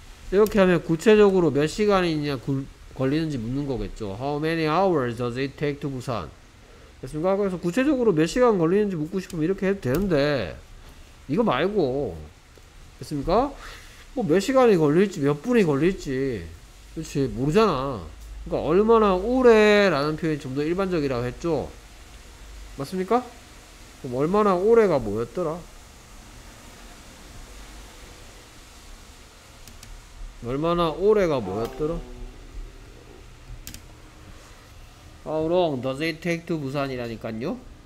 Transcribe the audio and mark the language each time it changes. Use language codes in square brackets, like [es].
[ko] 이렇게 하면 구체적으로 몇 시간이냐 걸리는지 묻는 거겠죠. [en] How many hours does it take to Busan? [ko] 됐습니까? 그래서 구체적으로 몇 시간 걸리는지 묻고 싶으면 이렇게 해도 되는데 이거 말고 됐습니까? 뭐 몇 시간이 걸릴지 몇 분이 걸릴지 그렇지 모르잖아. 그러니까 얼마나 오래 라는 표현이 좀 더 일반적이라고 했죠. 맞습니까? 그럼 얼마나 오래가 뭐였더라? 얼마나 오래가 뭐였더라? [en] How long does it take to Busan [ko] 이라니깐요?